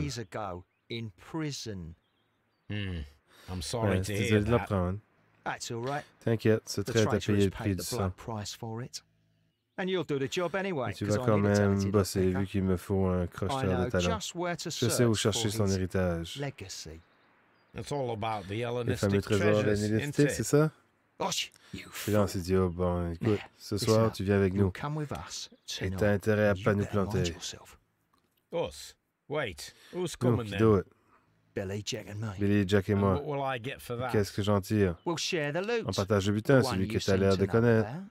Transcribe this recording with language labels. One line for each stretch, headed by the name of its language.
English: 7 days ago, in prison. I'm sorry to hear that.
French: Désolé de l'apprendre.
English: That's all right.
French: T'inquiète, ce trait a payé le prix du sang.
English: And you'll do the job anyway.
French: Tu vas quand même bosser vu qu'il me faut un crocheteur de talent. Je sais où chercher son héritage.
English: It's all about the Hellenistic treasures, isn't it?
French: C'est ça? Finalement, c'est dit, bon, écoute, ce soir, tu viens avec nous. Et t'as intérêt à pas nous planter.
English: Us? Wait, who's coming then?
French: Billy, Jack et moi.
English: And what will I get for that?
French: Qu'est-ce que j'en tire?
English: We'll share the loot.
French: On partage le butin, celui que t'as l'air de connaître.